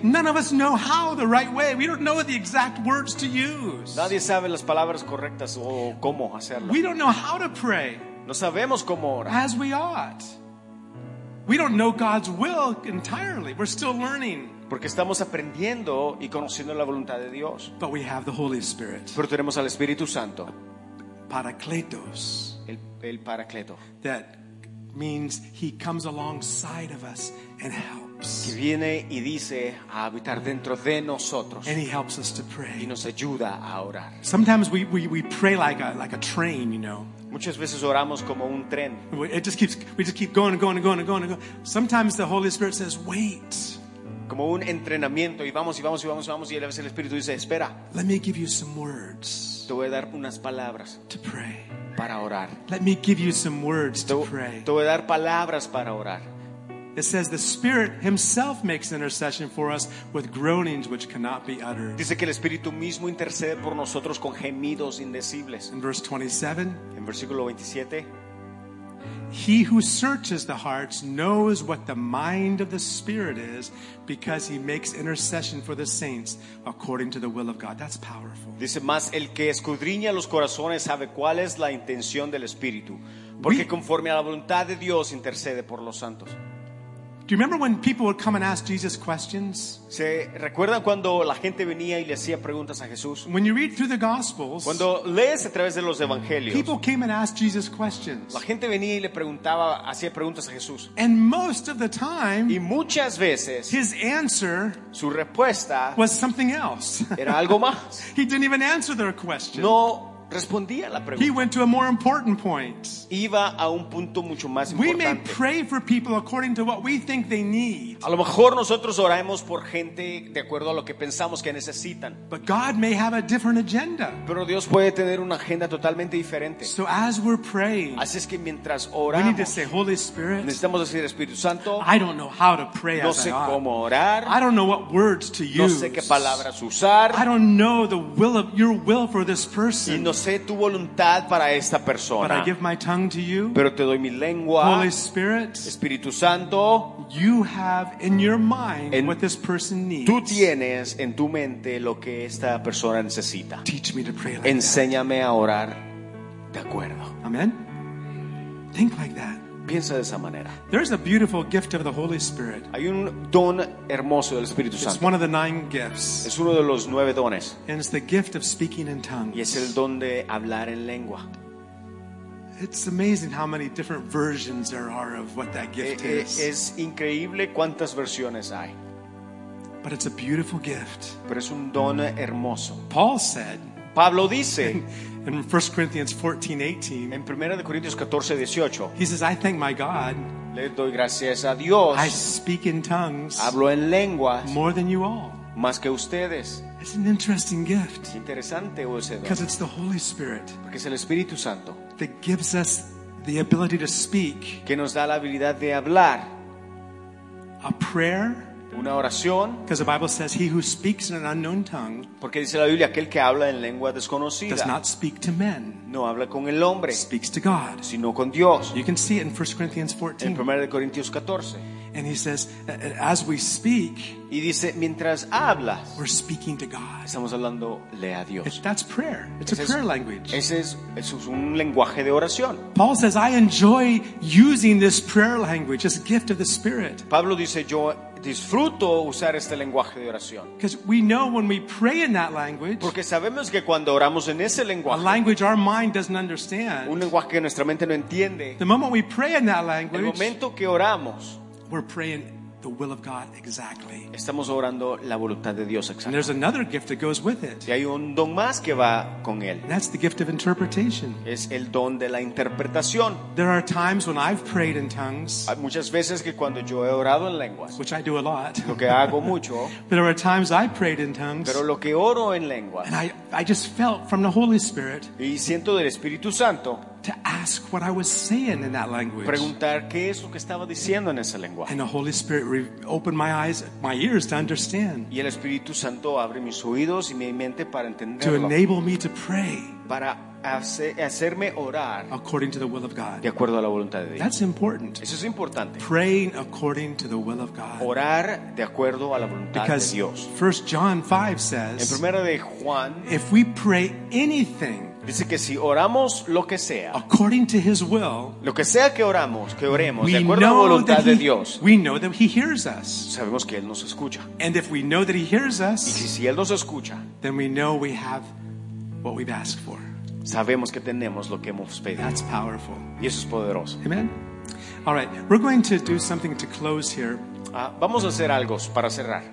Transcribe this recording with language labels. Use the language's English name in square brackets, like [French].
[English] none of us know how the right way. We don't know the exact words to use. [Spanish] Nadie sabe las palabras correctas o cómo hacerlo. [English] We don't know how to pray. [Spanish] No sabemos cómo orar. [English] As we ought. We don't know God's will entirely. We're still learning. [Spanish] Porque estamos aprendiendo y conociendo la voluntad de Dios. [English] But we have the Holy Spirit. [Spanish] Pero tenemos al Espíritu Santo. [Greek] Paracletos. [Spanish] El paracleto. [English] That means he comes alongside of us and helps. [Spanish] Que viene y dice a habitar dentro de nosotros. [English] And he helps us to pray. [Spanish] Y nos ayuda a orar. [English] Sometimes we pray like a train, you know. [Spanish] Muchas veces oramos como un tren. [English] We just keep going and going and going and going and going. Sometimes the Holy Spirit says, wait. [Spanish] Como un entrenamiento y vamos y vamos y vamos y vamos y a veces el Espíritu dice, espera. [English] Let me give you some words. [Spanish] Te voy a dar unas palabras. [English] To pray. [Spanish] Para orar. [English] Let me give you some words to pray. [Spanish] Te voy a dar palabras para orar. [English] It says the Spirit himself makes intercession for us with groanings which cannot be uttered. [Spanish] Dice que el Espíritu mismo intercede por nosotros con gemidos indecibles. [English] In verse 27. [Spanish] En versículo 27. [English] He who searches the hearts knows what the mind of the Spirit is, because he makes intercession for the saints according to the will of God. That's powerful. [Spanish] Dice más, el que escudriña los corazones sabe cuál es la intención del Espíritu, porque conforme a la voluntad de Dios intercede por los santos. [English] Do you remember when people would come and ask Jesus questions? [Spanish] ¿Se recuerdan cuando la gente venía y le hacía preguntas a Jesús? [English] When you read through the Gospels, [Spanish] cuando lees a través de los Evangelios, [English] people came and asked Jesus questions. [Spanish] La gente venía y le preguntaba, hacía preguntas a Jesús. [English] And most of the time, [Spanish] y muchas veces, [English] his answer, [Spanish] su respuesta, [English] was something else. [Spanish] Era algo más. [English] He didn't even answer their question. [Spanish] No respondía la pregunta. [English] He went to a more important point. [Spanish] Iba a un punto mucho más importante. [English] We may pray for people according to what we think they need. [Spanish] A lo mejor nosotros oramos por gente de acuerdo a lo que pensamos que necesitan. [English] But God may have a different agenda. [Spanish] Pero Dios puede tener una agenda totalmente diferente. [English] So as we're praying, [Spanish] así es que mientras oramos, [English] we need to say, Holy Spirit, [Spanish] necesitamos decir Espíritu Santo. [English] I don't know how to pray. [Spanish] No sé cómo orar. [English] I don't know what words to use. [Spanish] No sé qué palabras usar. [English] I don't know the will of your will for this person. [Spanish] No sé tu voluntad para esta persona. [English] But I give my tongue to you. [Spanish] Pero te doy mi lengua. [English] Holy Spirit, [Spanish] Espíritu Santo, [English] you have in your mind what this person needs. [Spanish] Tú tienes en tu mente lo que esta persona necesita. [English] Teach me to pray like [Spanish] enséñame [English] that. [Spanish] A orar de acuerdo. [English] Amen. Think like that. [Spanish] Piensa de esa manera. [English] There's a beautiful gift of the Holy Spirit. [Spanish] Hay un don hermoso del Espíritu Santo. [English] It's one of the nine gifts. [Spanish] Es uno de los nueve dones. [English] And it's the gift of speaking in tongues. [Spanish] Y es el don de hablar en lengua. [English] It's amazing how many different versions there are of what that gift is. [Spanish] Es increíble cuántas versiones hay. [English] But it's a beautiful gift. [Spanish] Pero es un don hermoso. [English] Paul said, [Spanish] Pablo dice, [English] in 1 Corinthians 14:18, [Spanish] en Primera de Corintios 14:18, [English] he says, I thank my God. [Spanish] Le doy gracias a Dios. [English] I speak in tongues. [Spanish] Hablo en lenguas. [English] More than you all. [Spanish] Más que ustedes. [English] It's an interesting gift. [Spanish] Interesante ese don. [English] Because it's the Holy Spirit. [Spanish] Porque es el Espíritu Santo. [English] That gives us the ability to speak. [Spanish] Que nos da la habilidad de hablar. [English] A prayer. [Spanish] Una oración. [English] Because the Bible says he who speaks in an unknown tongue, [Spanish] porque dice la Biblia, aquel que habla en lengua desconocida, [English] does not speak to men, [Spanish] no habla con el hombre, [English] speaks to God, [Spanish] sino con Dios. [English] You can see it in 1 Corinthians 14. [Spanish] En Primera de Corintios 14. [English] And he says, as we speak, [Spanish] y dice, mientras hablas, [English] we're speaking to God. [Spanish] Estamos hablándole a Dios. [English] That's prayer. It's a prayer language. [Spanish] Eso es un lenguaje de oración. [English] Paul says, I enjoy using this prayer language, this gift of the Spirit. [Spanish] Pablo dice, yo disfruto usar este lenguaje de oración. [English] Because we know when we pray in that language, [Spanish] porque sabemos que cuando oramos en ese lenguaje, [English] a language our mind doesn't understand, [Spanish] un lenguaje que nuestra mente no entiende, [English] the moment we pray in that language, [Spanish] el momento que oramos, [English] We're praying the will of God exactly. [Spanish] Estamos orando la voluntad de Dios exactamente. [English] And there's another gift that goes with it. [Spanish] Y hay un don más que va con él. [English] That's the gift of interpretation. [Spanish] Es el don de la interpretación. [English] There are times when I've prayed in tongues. [Spanish] Hay muchas veces que cuando yo he orado en lenguas. [English] Which I do a lot. [Spanish] Lo que hago mucho. [English] There are times I prayed in tongues. [Spanish] Pero lo que oro en lenguas. [English] And I just felt from the Holy Spirit. [Spanish] Y siento del Espíritu Santo. [English] To ask what I was saying in that language. [Spanish] Preguntar qué es lo que estaba diciendo en ese lenguaje. [English] And the Holy Spirit opened my eyes, my ears to understand. [Spanish] Y el Espíritu Santo abre mis oídos y mi mente para entenderlo. [English] To enable me to pray. [Spanish] Para hacerme orar. [English] According to the will of God. [Spanish] De acuerdo a la voluntad de Dios. [English] That's important. [Spanish] Eso es importante. [English] Praying according to the will of God. [Spanish] Orar de acuerdo a la voluntad de Dios. [English] Because 1 John 5 says. [Spanish] En primera de Juan. [English] If we pray anything. [Spanish] Dice que si oramos lo que sea, [English] according to his will, [Spanish] lo que sea que oremos, de acuerdo a la voluntad de Dios, [English] we know that he hears us. [Spanish] Sabemos que él nos escucha. [English] And if we know that he hears us, [Spanish] y si él nos escucha, [English] then we know we have what we've asked for. [Spanish] Sabemos que tenemos lo que hemos pedido. [English] That's powerful. [Spanish] Y eso es poderoso. [English] Amen. All right, we're going to do something to close here. [Spanish] Vamos a hacer algo para cerrar.